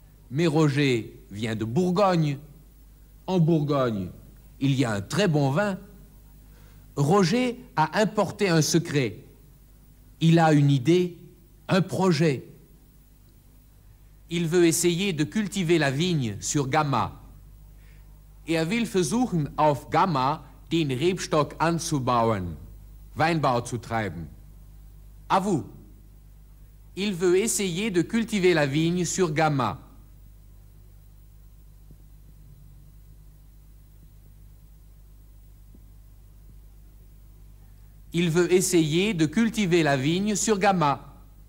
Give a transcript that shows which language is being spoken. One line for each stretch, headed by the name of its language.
French: mais Roger vient de Bourgogne. En Bourgogne, il y a un très bon vin. Roger a importé un secret. Il a une idée, un projet. Il veut essayer de cultiver la vigne sur Gamma.
German: Er will versuchen, auf Gamma den Rebstock anzubauen, Weinbau zu treiben.
French: À vous. Il veut essayer de cultiver la vigne sur Gamma. Il veut essayer de cultiver la vigne sur Gamma.